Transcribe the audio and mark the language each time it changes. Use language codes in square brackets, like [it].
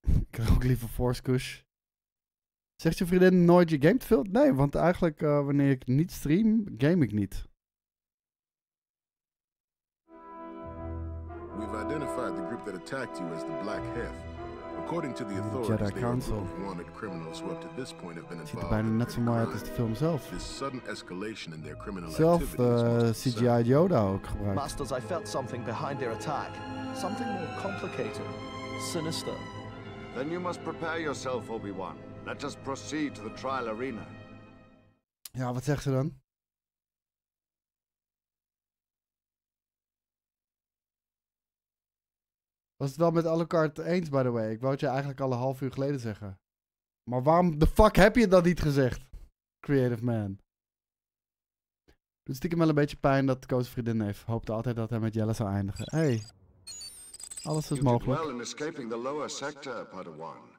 [nl] krijg ook liever Force Kush. Zegt je vriendin nooit je game te veel? Nee, want eigenlijk wanneer ik niet stream, game ik niet. [en] We've identified the group that attacked you as the Black Hef. According to the authorities, they are a group of wanted criminals who up to this point have been involved. [nl] Ziet er bijna net zo mooi uit als de film zelf. [en] This sudden escalation in their criminal [nl] activity. CGI Yoda ook gebruikt. [en] Masters, I felt something behind their attack. Something more complicated. Sinister. Then you must prepare yourself, Obi-Wan. Let us proceed to the trial arena. [nl] Ja, wat zegt ze dan? Was het wel met Alucard eens, [en] by the way? [nl] Ik wou het je eigenlijk al een half uur geleden zeggen. Maar waarom de fuck heb je dat niet gezegd? [en] Creative man. [nl] Doet stiekem wel een beetje pijn dat Koos vriendin heeft. Hoopte altijd dat hij met Jelle zou eindigen. Hey, alles is mogelijk. [en] You did well in escaping the lower sector, Padawan.